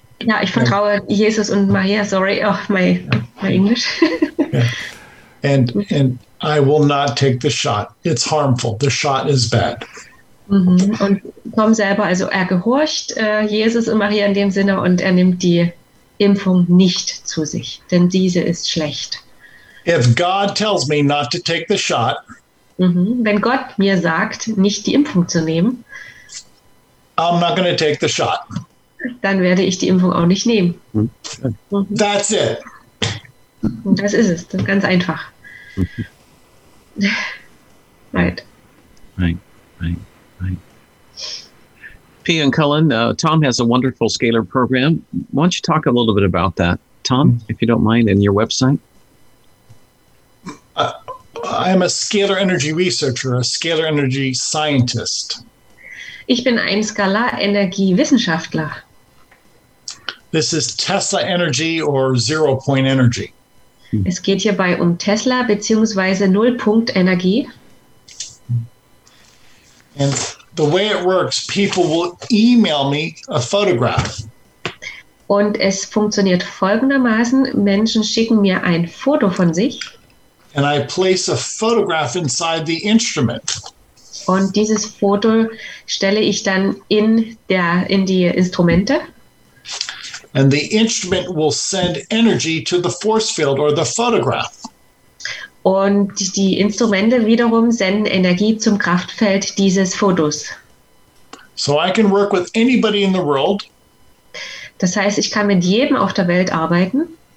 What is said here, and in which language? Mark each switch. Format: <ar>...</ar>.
<de>Ja, ich vertraue Jesus und Maria.</de> <en>Sorry, oh, my English. Yeah. And I will not take the shot. It's harmful. The shot is bad.</en> <de>Und Tom selber, also er gehorcht Jesus und Maria in dem Sinne, und er nimmt die Impfung nicht zu sich, denn diese ist schlecht.</de> <en>If God tells me not to take the shot,</en> <de>wenn Gott mir sagt, nicht die Impfung zu nehmen,</de> <en>I'm not going to take the shot.</en> <de>Dann werde ich die Impfung auch nicht nehmen.</de> <en>That's it.</en> <de>Das ist es, das ist ganz einfach.</de> <en>Right. Pia and Cullen, Tom has a wonderful scalar program. Why don't you talk a little bit about that, Tom, if you don't mind, and your website? I am a scalar energy researcher, a scalar energy scientist.</en> <de>Ich bin ein Skalarenergiewissenschaftler.</de> <en>This is Tesla energy or zero point energy.</en> <de>Es geht hierbei um Tesla beziehungsweise Nullpunkt Energie.</de> <en>And the way it works, people will email me a photograph.</en> <de>Und es funktioniert folgendermaßen: Menschen schicken mir ein Foto von sich.</de> <en>And I place a photograph inside the instrument.</en> <de>Und dieses Foto stelle ich dann in die Instrumente.</de> <en>And the instrument will send energy to the force field or the photograph.</en> <de>Und die Instrumente wiederum senden Energie zum Kraftfeld dieses Fotos.</de> <en>So I can work with anybody in the world.</en> <de>Das heißt, ich kann mit jedem auf der Welt arbeiten.</de>